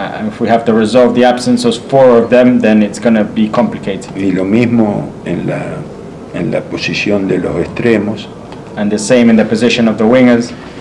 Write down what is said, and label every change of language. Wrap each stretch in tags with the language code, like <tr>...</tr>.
<en>If we have to resolve the absence of 4 of them, then it's going to be complicated.</en> <es>Y lo mismo en la posición de los extremos.</es> <en>And the same in the position of the wingers.</en>